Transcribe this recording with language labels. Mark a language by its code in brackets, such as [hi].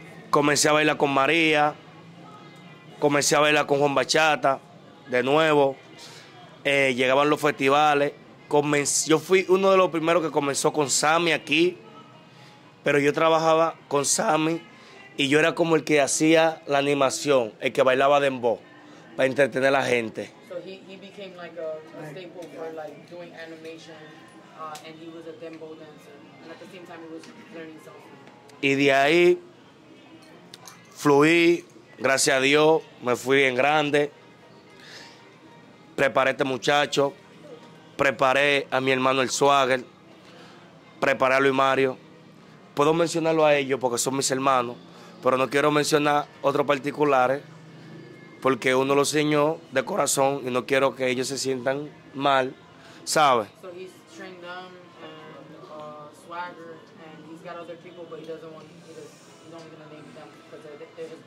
[es] Comencé a bailar con María, comencé a bailar con Juan Bachata, de nuevo, llegaban los festivales. Yo fui uno de los primeros que comenzó con Sammy aquí, pero yo trabajaba con Sammy y yo era como el que hacía la animación, el que bailaba dembow para entretener a la gente. [en] So he became like a staple for like doing animation, and he was a dembow dancer, and at the same time he was learning salsa. [es] Y de ahí fluí, gracias a Dios, me fui en grande, preparé a este muchacho. Preparé a mi hermano el Swagger, preparé a Luis Mario. Puedo mencionarlo a ellos porque son mis hermanos, pero no quiero mencionar otros particulares porque uno lo enseñó de corazón y no quiero que ellos se sientan mal, ¿sabes? [en] So he's trained them and Swagger and he's got other people, but he doesn't want he's only gonna name them because they're his